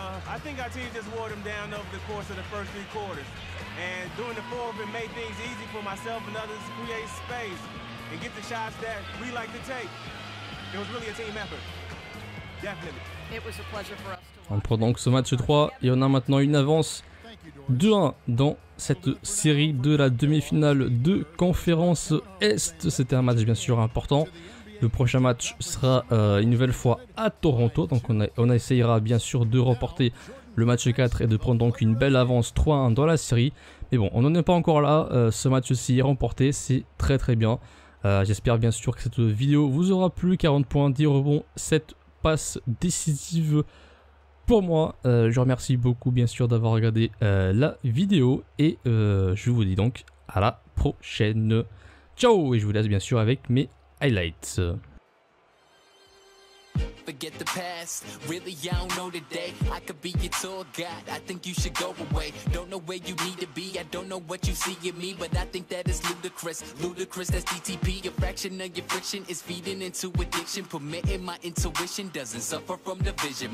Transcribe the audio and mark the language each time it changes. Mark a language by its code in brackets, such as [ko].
[en] I think our team just wore them down over the course of the first three quarters. And doing the four of it made things easy for myself and others to create space and get the shots that we like to take. It was really a team effort. Definitely. It was a pleasure for us to watch. [fr] On prend donc ce match 3 et on a maintenant une avance 2-1 dans cette série de la demi-finale de Conférence Est. C'était un match bien sûr important. Le prochain match sera une nouvelle fois à Toronto. Donc on essayera bien sûr de remporter le match 4 et de prendre donc une belle avance 3-1 dans la série. Mais bon, on n'en est pas encore là. Ce match-ci est remporté. C'est très très bien. J'espère bien sûr que cette vidéo vous aura plu. 40 points, 10 rebonds, 7 passes décisives pour moi. Je remercie beaucoup bien sûr d'avoir regardé la vidéo et je vous dis donc à la prochaine. Ciao et je vous laisse bien sûr avec mes highlights. [en] Forget the past, really I don't know today. I could be your tour guide, I think you should go away. Don't know where you need to be, I don't know what you see in me. But I think that is ludicrous, ludicrous, that's DTP. A fraction of your friction is feeding into addiction. Permitting my intuition doesn't suffer from division.